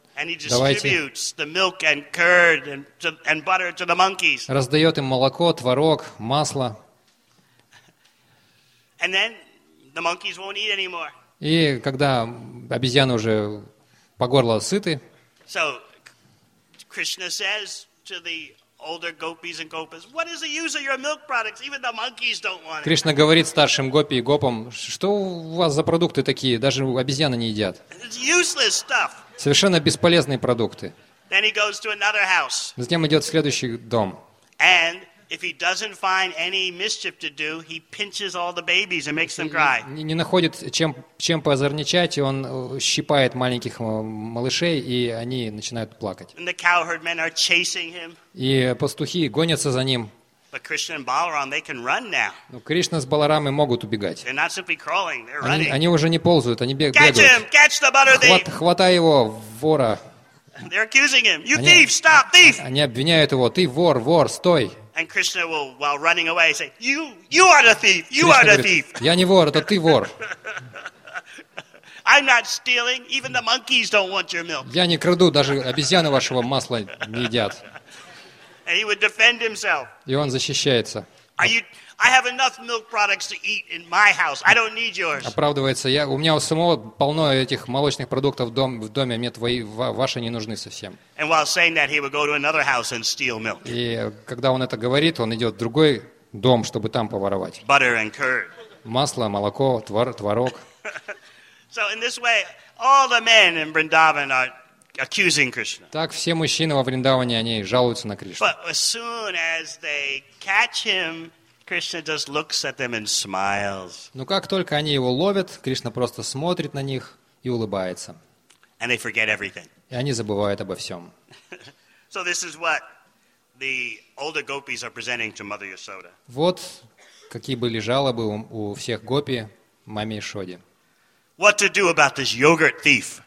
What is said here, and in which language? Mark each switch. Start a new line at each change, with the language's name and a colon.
English: And he distributes the milk and curd and butter to the monkeys.
Russian: Раздает им молоко, творог, масло.
English: And then the monkeys won't eat anymore.
Russian: И когда обезьяны уже по горло сыты.
English: So Krishna says to the older gopis and gopas, "What is the use of your milk products? Even the monkeys don't want it."
Russian: Кришна говорит старшим гопи и гопам, что у вас за продукты такие, даже обезьяны не едят.
English: It's useless stuff.
Russian: Совершенно бесполезные продукты.
English: Then he goes to another house.
Russian: Затем идет в следующий дом.
English: And if he doesn't find any mischief to do, he pinches all the babies and makes them cry.
Russian: Не находит чем позорничать, и он щипает маленьких малышей, и они начинают плакать.
English: And the cowherd men are chasing him.
Russian: И пастухи гонятся за ним.
English: But Krishna and Balaram, they can run now.
Russian: Но Кришна с Баларамой могут убегать.
English: They're not simply crawling, they're
Russian: они,
English: running.
Russian: Они уже не ползают, они бегают.
English: Catch him, catch the butter thief.
Russian: Хватай его, вора.
English: They're accusing him. You thief, stop, thief.
Russian: Они обвиняют его. Ты вор, вор, стой.
English: And Krishna will, while running away, say, you are the thief, you Krishna are the thief.
Russian: Я не вор, это ты вор.
English: I'm not stealing. Even the monkeys don't want your milk.
Russian: Я не краду, даже обезьяны вашего масла не едят.
English: And he would defend himself.
Russian: И он защищается.
English: Are you? I have enough milk products to eat in my house. I don't need yours.
Russian: Оправдывается, у меня у самого полно этих молочных продуктов в доме, мне твои ваши не нужны совсем.
English: And while saying that, he would go to another house and steal milk.
Russian: И когда он это говорит, он идет в другой дом, чтобы там поворовать.
English: Butter and curd.
Russian: Масло, молоко, творог.
English: So in this way, all the men in Vrindavan are accusing Krishna.
Russian: Так все мужчины во Вриндаване они жалуются на Кришну.
English: But as soon as they catch him, Krishna just looks at them and smiles.
Russian: Но как только они его ловят, Кришна просто смотрит на них и улыбается.
English: And they forget everything.
Russian: И они забывают обо всем.
English: So this is what the older gopis are presenting to Mother Yashoda.
Russian: Вот какие были жалобы у всех гопи маме Яшоде.
English: What to do about this yogurt thief?